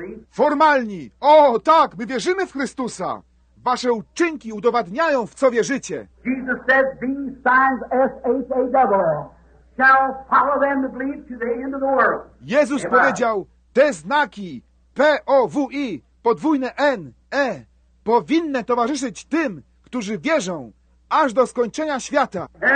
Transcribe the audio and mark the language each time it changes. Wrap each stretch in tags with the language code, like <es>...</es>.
<pl>Formalni. O, tak, my wierzymy w Chrystusa. Wasze uczynki udowadniają, w co wierzycie.</pl> <en>Jesus said, these signs, S-H-A-W-L, shall follow them to believe to the end of the world.</en> <pl>Jezus powiedział, te znaki, P-O-W-I, podwójne N, E, powinny towarzyszyć tym, którzy wierzą, aż do skończenia świata.</pl>